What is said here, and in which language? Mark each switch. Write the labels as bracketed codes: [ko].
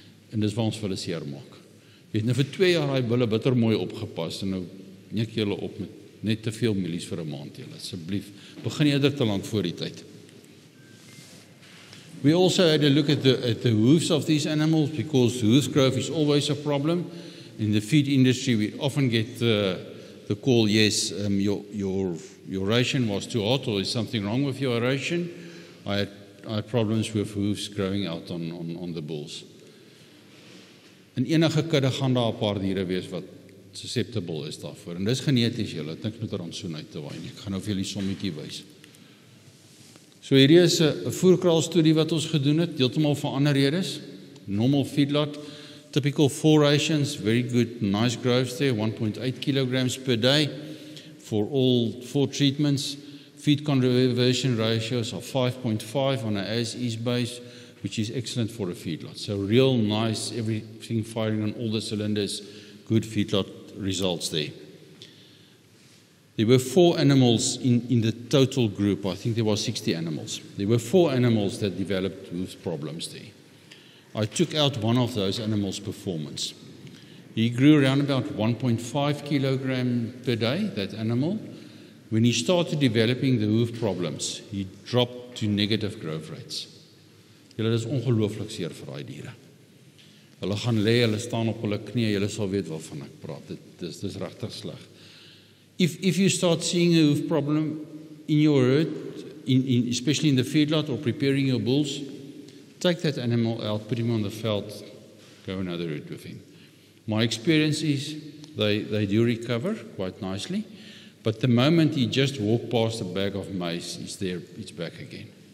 [af] En dis waar ons vir hulle seer maak. Jy het nou vir 2 jaar die bulle bitter mooi opgepas, en nou neek jy hulle op met net te veel mielies vir 'n maand, julle asseblief. Begin eerder te lank voor die tyd. [en] We also had a look at the hooves of these animals, because hoof growth is always a problem. In the feed industry, we often get the call, yes, your ration was too hot, or is something wrong with your ration? I had problems with hooves growing out on the bulls. [af] En enige kudde gaan daar 'n paar diere wees wat susceptible is daarvoor. En dis geneties, julle, niks met rantsoen uit te waai nie. Ek gaan nou vir julle sommetjie wys. So hierdie is 'n voerkraalstudie wat ons gedoen het, deeltemal vir ander redes. [en] Normal feedlot, typical four rations, very good, nice growth there, 1.8 kilograms per day for all four treatments. Feed conversion ratios are 5.5 on an as-is base, which is excellent for a feedlot. So real nice, everything firing on all the cylinders, good feedlot results there. There were four animals in the total group. I think there were 60 animals. There were four animals that developed hoof problems there. I took out one of those animals' performance. He grew around about 1.5 kilogram per day, that animal. When he started developing the hoof problems, he dropped to negative growth rates. [af] Julle, dit is ongelooflik seer vir daai diere. Hulle gaan lê, hulle staan op hulle knieë, julle sal weet waarvan ek praat. Dit is regtig sleg. [en] If you start seeing a hoof problem in your herd, especially in the feedlot or preparing your bulls, take that animal out, put him on the veld, go another route with him. My experience is they do recover quite nicely, but the moment he just walked past a bag of maize, he's there, it's back again.